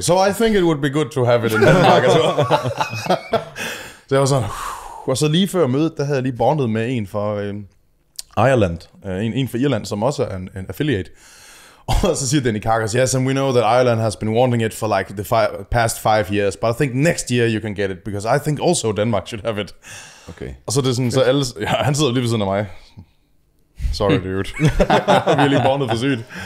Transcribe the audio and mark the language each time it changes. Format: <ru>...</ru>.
<en>So I think it would be good to have it in Denmark as well.</en> <da>Så jeg var sådan, og så lige før mødet, der havde jeg lige bondet med en fra Ireland. En fra Irland, som også er en affiliate. Og så siger</da> <en>Danny Karkas, yes, and we know that Ireland has been wanting it for like the past 5 years, but I think next year you can get it, because I think also Denmark should have it. Okay.</en> <da>Og så det er sådan, så alle, ja, han sidder lige ved siden af mig.</da> <en>Sorry, dude.</en> <da>Vi er lige bondet for sygt.</da>